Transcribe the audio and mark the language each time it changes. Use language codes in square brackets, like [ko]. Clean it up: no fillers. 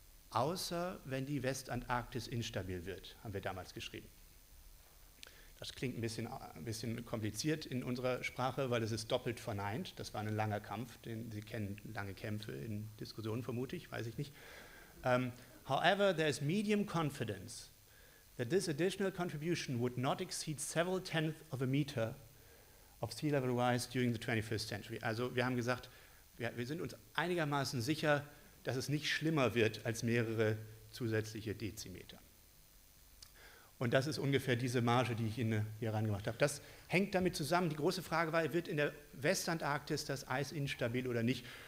[de] Außer wenn die Westantarktis instabil wird, haben wir damals geschrieben. Das klingt ein bisschen kompliziert in unserer Sprache, weil es ist doppelt verneint. Das war ein langer Kampf, den Sie kennen, lange Kämpfe in Diskussionen vermutlich, weiß ich nicht. [en] However, there is medium confidence that this additional contribution would not exceed several tenths of a meter of sea level rise during the 21st century. [de] Also wir haben gesagt, wir sind uns einigermaßen sicher, dass es nicht schlimmer wird als mehrere zusätzliche Dezimeter. Und das ist ungefähr diese Marge, die ich Ihnen hier reingemacht habe. Das hängt damit zusammen. Die große Frage war, wird in der Westantarktis das Eis instabil oder nicht?